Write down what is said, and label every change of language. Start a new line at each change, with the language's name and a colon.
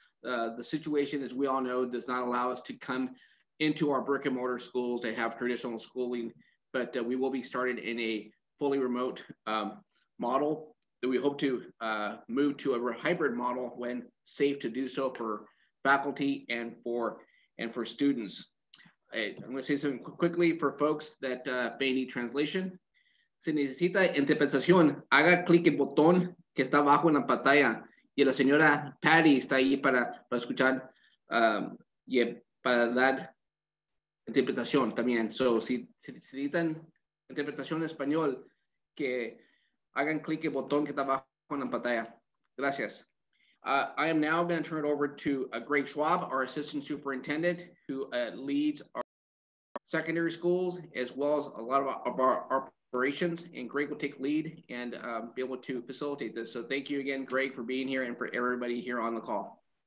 English: The situation, as we all know, does not allow us to come into our brick and mortar schools to have traditional schooling, but we will be started in a fully remote model that we hope to move to a hybrid model when safe to do so for faculty and for students. I'm going to say something quickly for folks that may need translation.
Spanish: Si necesita interpretación, haga clic el botón que está abajo en la pantalla. Y la señora Patty está ahí para escuchar y para dar interpretación también. So, si necesitan interpretación en español, que hagan clic el botón que está abajo en la pantalla. Gracias.
English: I am now going to turn it over to Greg Schwab, our assistant superintendent, who leads our secondary schools, as well as a lot of our operations, and Greg will take lead and be able to facilitate this. So thank you again, Greg, for being here and for everybody here on the call.